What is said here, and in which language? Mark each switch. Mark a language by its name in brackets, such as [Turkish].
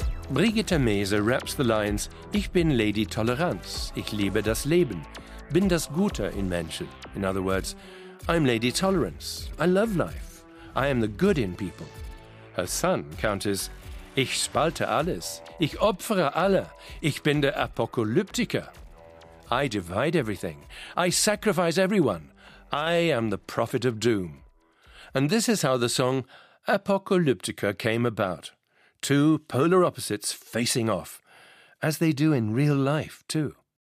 [English] Brigitte Mayser raps the lines, [German] Ich bin Lady Toleranz, ich liebe das Leben, bin das Gute in Menschen. [English] In other words, I'm Lady Tolerance, I love life, I am the good in people. Her son counters, [German] Ich spalte alles, ich opfere alle, ich bin der Apokalyptiker. [English] I divide everything, I sacrifice everyone, I am the prophet of doom. And this is how the song Apokalyptica came about. Two polar opposites facing off, as they do in real life, too.